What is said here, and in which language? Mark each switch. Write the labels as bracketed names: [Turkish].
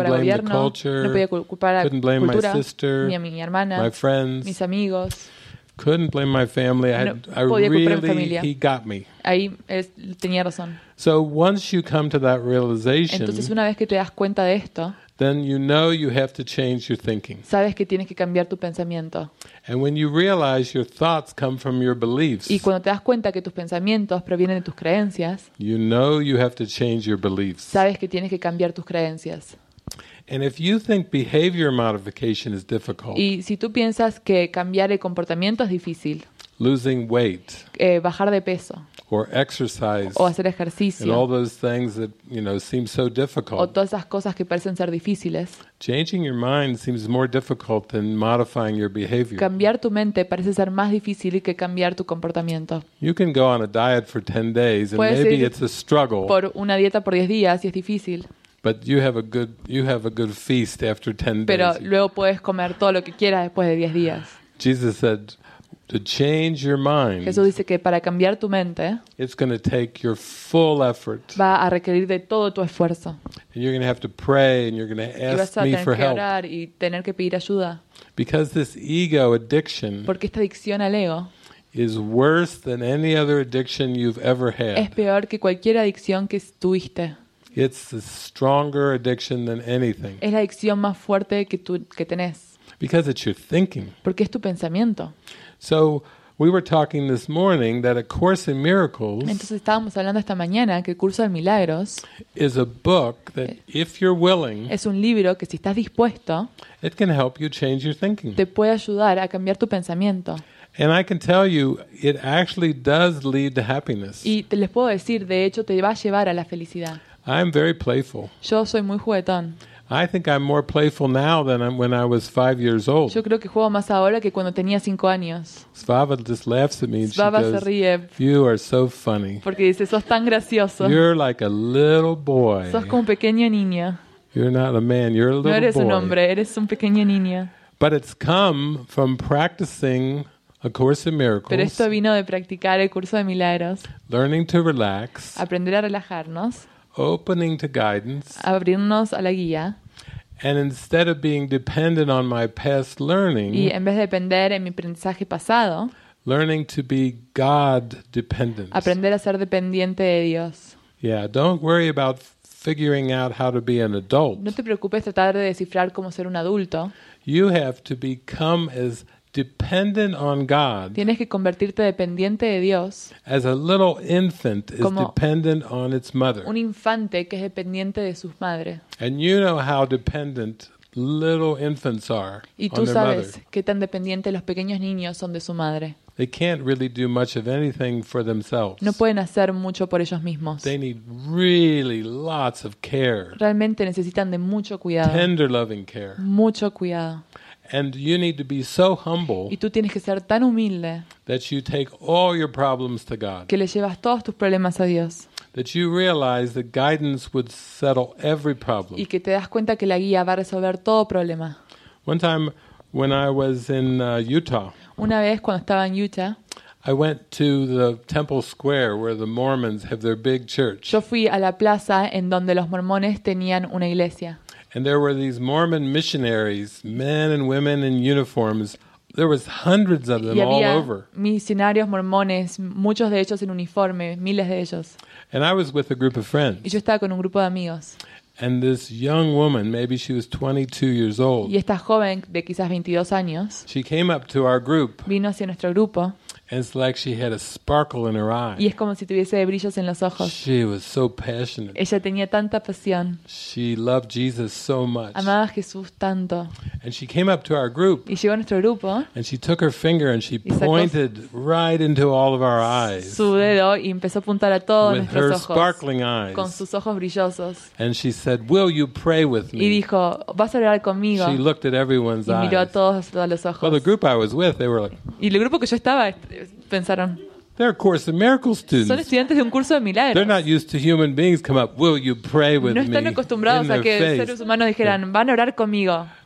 [Spanish] culpar al gobierno. [English] The culture. [Spanish] No podía culpar a la [English] couldn't blame [Spanish] cultura, [English] my sister. [Spanish] Ni a mi hermana. [English] My friends. [Spanish] Mis amigos. [English] Couldn't blame my family. He got me. [Spanish] Ahí tenía razón. [English] So once you come to that realization, [Spanish] entonces una vez que te das cuenta de esto, [English] then you know you have to change your thinking. [Spanish] Sabes que tienes que cambiar tu pensamiento. [English] And when you realize your thoughts come from your beliefs, [Spanish] y cuando te das cuenta que tus pensamientos provienen de tus creencias, [English] you know you have to change your beliefs. [Spanish] Sabes que tienes que cambiar tus creencias. [English] And if you think behavior modification is difficult, [Spanish] y si tú piensas que cambiar el comportamiento es difícil, [English] losing weight, [Spanish] bajar de peso, [English] or exercise, [Spanish] o hacer ejercicio, [English] and all those things that you know seem so difficult, [Spanish] o todas esas cosas que parecen ser difíciles, [English] changing your mind seems more difficult than modifying your behavior. [Spanish] Cambiar tu mente parece ser más difícil que cambiar tu comportamiento. [English] You can go on a diet for 10 days, and maybe it's a struggle. [Spanish] Por una dieta por 10 días y es difícil. [English] But you have a good feast after 10 days. [Spanish] Pero luego puedes comer todo lo que quieras después de 10 días. [English] Jesus said to change your mind. [Spanish] Jesús dice que para cambiar tu mente, [English] it's going to take your full effort. [Spanish] Va a requerir de todo tu esfuerzo. [English] And you're going to have to pray and you're going to ask me for help. [Spanish] Y vas a tener que orar y tener que pedir ayuda. [English] Because this ego addiction. [Spanish] Porque esta adicción al ego [English] is worse than any other addiction you've ever had. [Spanish] Es peor que cualquier adicción que tuviste. [English] It's a stronger addiction than anything. [Spanish] Es la adicción más fuerte que tenés. [English] Because it's your thinking. [Spanish] Porque es tu pensamiento. So [English] We were talking this morning that A Course in Miracles. [Spanish] Entonces estábamos hablando esta mañana que El Curso de Milagros [English] is a book that if you're willing. [Spanish] Es un libro que si estás dispuesto. [English] It can help you change your thinking. [Spanish] Te puede ayudar a cambiar tu pensamiento. [English] And I can tell you it actually does lead to happiness. [Spanish] Y te les puedo decir, de hecho te va a llevar a la felicidad. [English] I'm very playful. [Spanish] Yo soy muy juguetón. [English] I think I'm more playful now than when I was 5 years old. [Spanish] Yo creo que juego más ahora que cuando tenía 5 años. [English] Svava just laughs at me. [Spanish] Svava se ríe. [English] You are so funny. [Spanish] Porque dice, sos tan gracioso. [English] You're like a little boy. [Spanish] Sos como un pequeño niño. [English] You're not a man, you're a little boy. [Spanish] No eres un hombre, eres un pequeño niño. [English] But it's come from practicing A Course in Miracles. [Spanish] Pero esto vino de practicar El Curso de Milagros. [English] Learning to relax. [Spanish] Aprender a relajarnos. [English] Opening to guidance. [Spanish] Abrirnos a la guía. [English] And instead of being dependent on my past learning. [Spanish] Y en vez de depender en mi aprendizaje pasado. [English] Learning to be God-dependent. [Spanish] Aprender a ser dependiente de Dios. [English] Yeah, don't worry about figuring out how to be an adult. [Spanish] No te preocupes tratar de descifrar cómo ser un adulto. [English] You have to become as dependent on God. [Spanish] Tienes que convertirte dependiente de Dios. [English] As a little infant is dependent on its mother. [Spanish] Un infante que es dependiente de sus madres. [English] And you know how dependent little infants are on their mother. [Spanish] Y tú sabes qué tan dependientes los pequeños niños son de su madre. [English] They can't really do much of anything for themselves. [Spanish] No pueden hacer mucho por ellos mismos. [English] They need really lots of care. [Spanish] Realmente necesitan de mucho cuidado. [English] Tender loving care. [Spanish] Mucho cuidado. [English] And you need to be so humble. [Spanish] Y tú tienes que ser tan humilde. [English] That you take all your problems to God. [Spanish] Que le llevas todos tus problemas a Dios. [English] That you realize that guidance would settle every problem. [Spanish] Y que te das cuenta que la guía va a resolver todo problema. [English] One time when I was in Utah. [Spanish] Una vez cuando estaba en Utah. [English] I went to the Temple Square where the Mormons have their big church. [Spanish] Yo fui a la plaza en donde los mormones tenían una iglesia. [English] And there were these Mormon missionaries, men and women in uniforms. There was hundreds of them all over. [Spanish] Y había misionarios mormones, muchos de ellos en uniforme, miles de ellos. [English] And I was with a group of friends. [Spanish] Y yo estaba con un grupo de amigos. [English] And this young woman, maybe she was 22 years old. [Spanish] Y esta joven de quizás 22 años. [English] She came up to our group. [Spanish] Vino hacia nuestro grupo. [English] And it's like she had a sparkle in her eye. [Spanish] Y es como si tuviese brillos en los ojos. [English] She was so passionate. [Spanish] Ella tenía tanta pasión. [English] She loved Jesus so much. [Spanish] Amaba a Jesús tanto. [English] And she came up to our group. [Spanish] Y llegó a nuestro grupo. [English] And she took her finger and she pointed right into all of our eyes. [Spanish] Su dedo y empezó a apuntar a todos nuestros ojos. [English] With her sparkling eyes. [Spanish] Con sus ojos brillosos. [English] And she said, "Will you pray with me?" [Spanish] Y dijo, "¿Vas a orar conmigo?" [English] She looked at everyone's eyes. [Spanish] Y miró a todos a los ojos. [English] Well, the group I was with, they were like. [Spanish] Y el grupo que yo estaba. Pensaron, [English] they're of course the miracle students. [Spanish] Son estudiantes de un curso de milagros. [English] They're not used to human beings come up. Will you pray with me? [Spanish] No están acostumbrados a que seres humanos dijeran, van a orar conmigo.